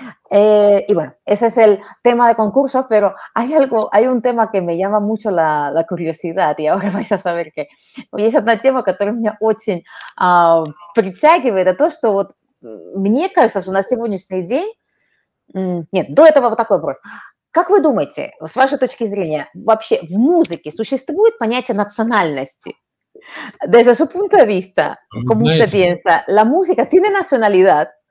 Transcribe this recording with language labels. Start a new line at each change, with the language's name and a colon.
Spanish: Y bueno, ese es el tema de concursos, pero hay un tema que me llama mucho la curiosidad y ahora vais a saber que hoy es un tema que me ha
Russian: очень притягивает, a то, что вот мне кажется, что на сегодняшний день, нет, до этого вот такой вопрос. Как вы думаете, с вашей точки зрения, вообще в музыке существует понятие национальности?
Spanish: Desde su punto de vista, ¿cómo usted piensa? ¿La música tiene nacionalidad?